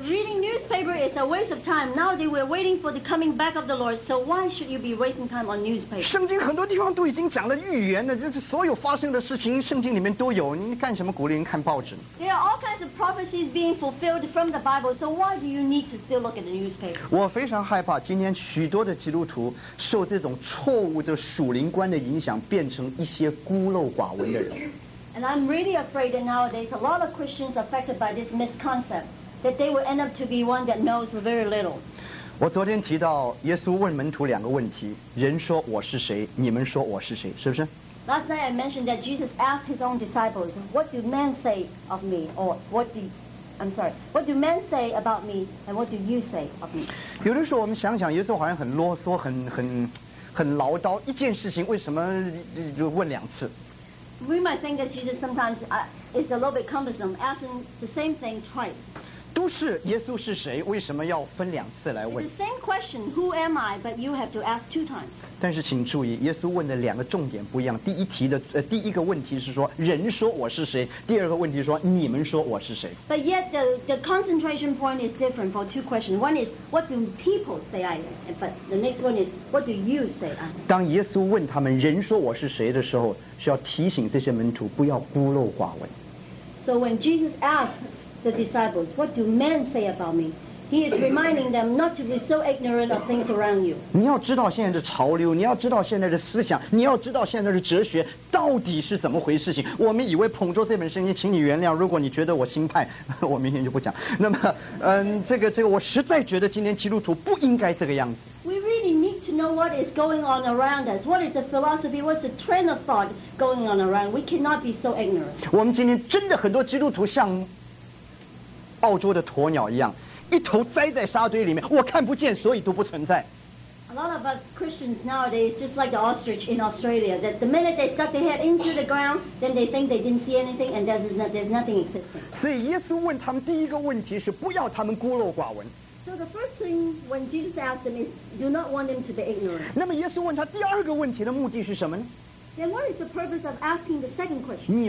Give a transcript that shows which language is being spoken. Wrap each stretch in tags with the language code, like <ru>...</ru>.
<en>Reading newspaper is a waste of time. Nowadays we're waiting for the coming back of the Lord, so why should you be wasting time on newspaper?</en> <zh>圣经很多地方都已经讲了预言了，就是所有发生的事情，圣经里面都有，你干什么鼓励人看报纸？</zh> <en>There are all kinds of prophecies being fulfilled from the Bible, so why do you need to still look at the newspaper?</en> <zh>我非常害怕今天许多的基督徒受这种错误的属灵观的影响，变成一些孤陋寡闻的人。</zh> <en>And I'm really afraid that nowadays a lot of Christians are affected by this misconcept that they will end up to be one that knows very little.</en> <zh>我昨天提到耶稣问门徒两个问题：人说我是谁？你们说我是谁？是不是</zh> <en>？Last night I mentioned that Jesus asked his own disciples, "What do men say of me?" Or "What do men say about me? And what do you say of me?"</en> <zh>有的时候我们想想，耶稣好像很啰嗦，很唠叨，一件事情为什么就问两次</zh> <en>？We might think that Jesus sometimes is a little bit cumbersome, asking the same thing twice.</en> <zh>都是耶稣是谁？为什么要分两次来问</zh> <en>？It's the same question, who am I? But you have to ask two times.</en> <zh>但是请注意，耶稣问的两个重点不一样。第一个问题是说人说我是谁，第二个问题是说你们说我是谁。</zh> <en>But yet the concentration point is different for two questions. One is what do people say I am, but the next one is what do you say I am.</en> <zh>当耶稣问他们人说我是谁的时候，是要提醒这些门徒不要孤陋寡闻。</zh> <en>So when Jesus asked the disciples, what do men say about me? He is reminding them not to be so ignorant of things around you.</en> <zh>你要知道现在的潮流，你要知道现在的思想，你要知道现在的哲学到底是怎么回事情。我们以为捧着这本圣经，请你原谅。如果你觉得我新派，我明天就不讲。那么，这个，我实在觉得今天基督徒不应该这个样子。</zh> <en>We really need to know what is going on around us. What is the philosophy? What's the train of thought going on around? We cannot be so ignorant.</en> <zh>我们今天真的很多基督徒像澳洲的鸵鸟一样。一头栽在沙堆里面，我看不见，所以都不存在。</zh> <en>A lot of us Christians nowadays just like the ostrich in Australia. That the minute they stuck their head into the ground, then they think they didn't see anything, and there's nothing existing.</en> <zh>所以耶稣问他们第一个问题是不要他们孤陋寡闻。</zh> <en>So the first thing when Jesus asked them is, do not want them to be ignorant.</en> <zh>那么耶稣问他第二个问题的目的是什么呢？</zh> <en>Then what is the purpose of asking the second question?</en>